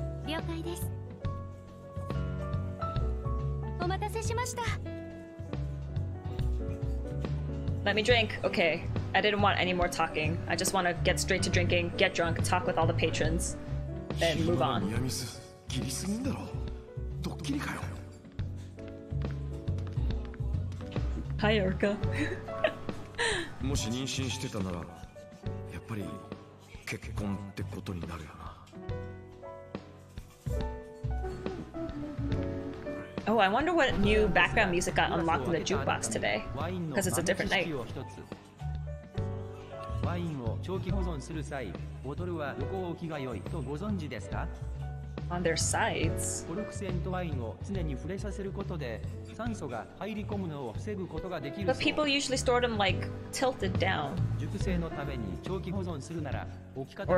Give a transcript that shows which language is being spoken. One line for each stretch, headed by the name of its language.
Japanese: 了解です。お待たせしました。
English: Let me drink. Okay. I didn't want any more talking. I just want to get straight to drinking, get drunk, talk with all the patrons, then move on.
Japanese: ミヤミス、切りすぎんだろ。ドッキリかよ。
English: Hi, Erica.
Japanese: もし妊娠してたなら、やっぱり結婚ってことになるよな。
English: Oh, I wonder what new background music got unlocked in the jukebox today. Because it's a different night.
Japanese: Wine を長期保存する際、ボトルは横置きが良いとご存知ですか？
English: On their sides.
Japanese: コルク栓とワインを常に触れさせることで、酸素が入り込むのを防ぐことができる。
English: But people usually store them like tilted down.
Japanese: 熟成のために長期保存するなら、置き方も